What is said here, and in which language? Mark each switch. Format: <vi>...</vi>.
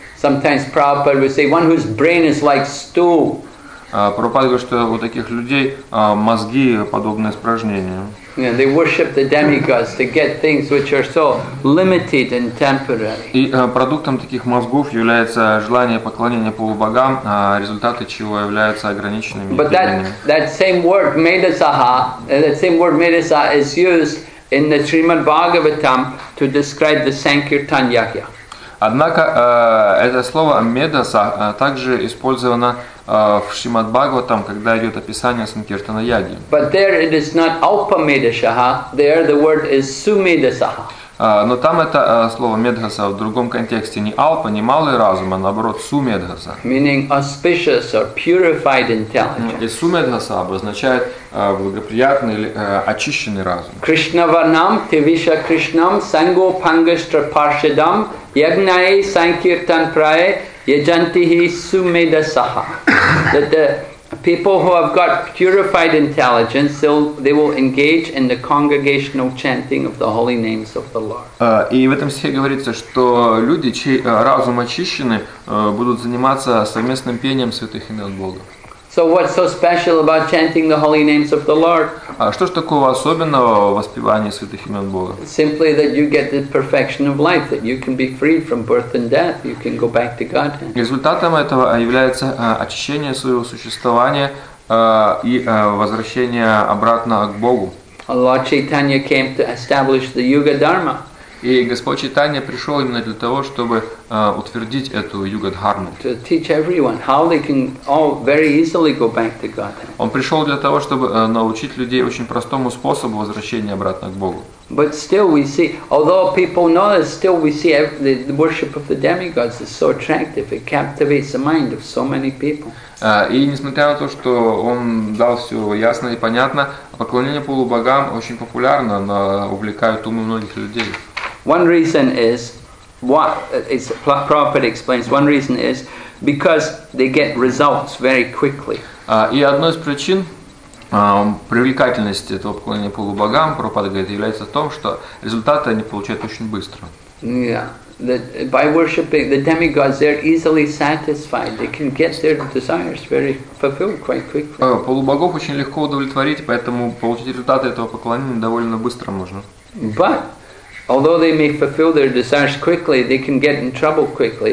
<en>Sometimes Prabhupada would say, one whose brain is like stool.</en> <ru>Прабхупада говорит, что у таких людей мозги подобные испражнения.</ru> <en>Yeah, they worship the demigods to get things which are so limited and temporary.</en> <ru>И продуктом таких мозгов является желание поклонения полубогам, результаты чего являются ограниченными.</ru> <en>But that same word medhasa is used in the Srimad Bhagavatam to describe the Sankirtan Yajna.</en> <ru>Однако это слово медаса также использовано в Шримад Бхагаватам, когда идет описание Санкиртана Яги.</ru> <en>But there it is not alpa medasaha, there the word is sumedasaha.</en> <ru>Но там это слово медгаса в другом контексте, не алпа, не малый разум, а наоборот сумедгаса.</ru> <en>Meaning auspicious or purified intelligence.</en> <ru>И сумедгаса обозначает благоприятный или очищенный разум.</ru> <sa>Кришнаварнам тивиша кришнам санго пангаштра паршидам ягнаи санкиртан прае яджантихи сумедасаха.</sa> <en>That the people who have got purified intelligence, they will engage in the congregational chanting of the holy names of the Lord.</en> <ru>И в этом стихе говорится, что люди, чей разум очищены, будут заниматься совместным пением святых имен Бога.</ru> <en>So what's so special about chanting the holy names of the Lord?</en> <ru>Что ж такого особенного в воспевании святых имен Бога?</ru> <en>Simply that you get the perfection of life, that you can be freed from birth and death, you can go back to God.</en> <ru>Результатом этого является очищение своего существования и возвращение обратно к Богу.</ru> <en>Lord Chaitanya came to establish the Yuga Dharma.</en> <ru>И Господь Чайтанья пришел именно для того, чтобы утвердить эту юга-дхарму.</ru> <en>To teach everyone how they can all very easily go back to God.</en> <ru>Он пришел для того, чтобы научить людей очень простому способу возвращения обратно к Богу.</ru> <en>But still we see, although people know this, still we see the worship of the demigods is so attractive, it captivates the mind of so many people.</en> <ru>И несмотря на то, что он дал все ясно и понятно, поклонение полубогам очень популярно, оно увлекает умы многих людей.</ru> <en>One reason is, what is Prabhupada explains, one reason is because they get results very quickly.</en> <ru>И одной из причин привлекательности этого поклонения полубогам, Прабхупада говорит, является в том, что результаты они получают очень быстро.</ru> <en>Yeah. That by worshipping the demigods, they're easily satisfied. They can get their desires very fulfilled quite quickly.</en> <ru>Полубогов очень легко удовлетворить, поэтому получить результаты этого поклонения довольно быстро можно.</ru> <en>But although they may fulfill their desires quickly, they can get in trouble quickly.</en>